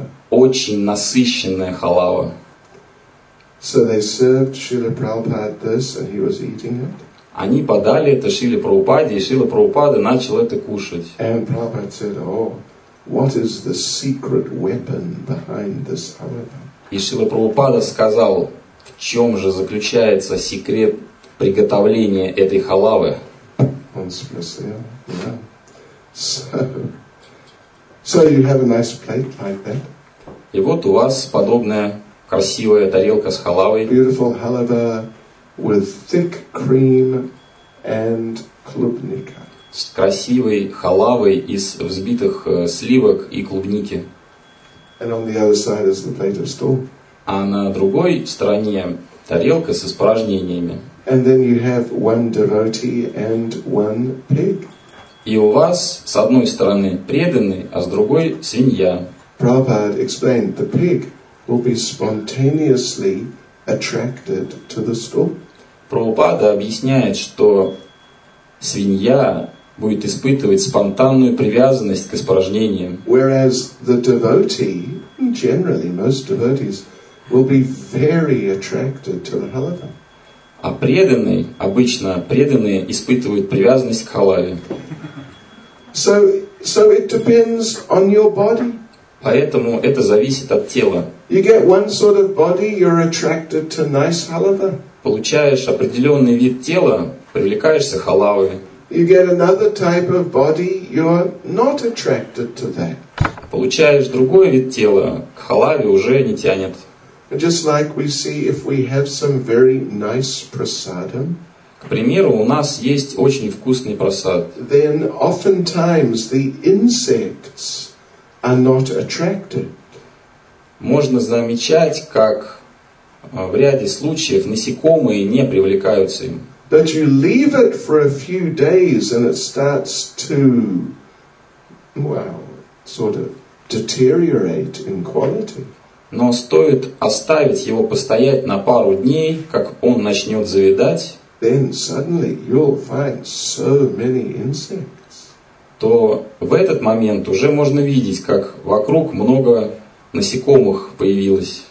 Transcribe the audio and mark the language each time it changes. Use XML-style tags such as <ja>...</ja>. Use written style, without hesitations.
<ru>Очень насыщенная халава.</ru> <en>So they served Srila Prabhupada this, and he was eating it.</en> <ru>Они подали это Шриле Прабхупаде, и Шрила Прабхупада начал это кушать.</ru> <en>And Prabhupada said, "Oh, what is the secret weapon behind this halwa?"</en> <ru>И Шрила Прабхупада сказал, в чем же заключается секрет приготовления этой халавы? Он спросил,</ru> <en>So you have a nice plate like that.</en> <ru>И вот у вас подобная красивая тарелка с халавой.</ru> <en>Beautiful halwa with thick cream and klubnika.</en> <ru>С красивой халавой из взбитых сливок и клубники.</ru> <en>And on the other side is the plate of stool.</en> <ru>А на другой стороне тарелка с испражнениями.</ru> <en>And then you have one devotee and one pig.</en> <ru>И у вас с одной стороны преданный, а с другой свинья.</ru> <en>Prabhupada explained the pig will be spontaneously attracted to the stool.</en> <ru>Прабхупада объясняет, что свинья будет испытывать спонтанную привязанность к испражнениям.</ru> <en>Whereas the devotee, generally most devotees, will be very attracted to the halwa.</en> <ru>А преданный, обычно преданные испытывают привязанность к халаве.</ru> <en>So it depends on your body.</en> <ru>Поэтому это зависит от тела.</ru> <en>You get one sort of body, you're attracted to nice halwa.</en> <ru>Получаешь определенный вид тела, привлекаешься к халаве.</ru> <en>You get another type of body, you're not attracted to that.</en> <ru>Получаешь другой вид тела, к халаве уже не тянет.</ru> <en>Just like we see if we have some very nice prasadam.</en> <ru>К примеру, у нас есть очень вкусный прасад.</ru> <en>Then oftentimes the insects are not attracted.</en> <ru>Можно замечать, как в ряде случаев насекомые не привлекаются им.</ru> <en>But you leave it for a few days and it starts to, well, sort of deteriorate in quality.</en> <ru>Но стоит оставить его постоять на пару дней, как он начнет завидать,</ru> <en>then suddenly you'll find so many insects.</en> <ru>То в этот момент уже можно видеть, как вокруг много насекомых появилось.</ru>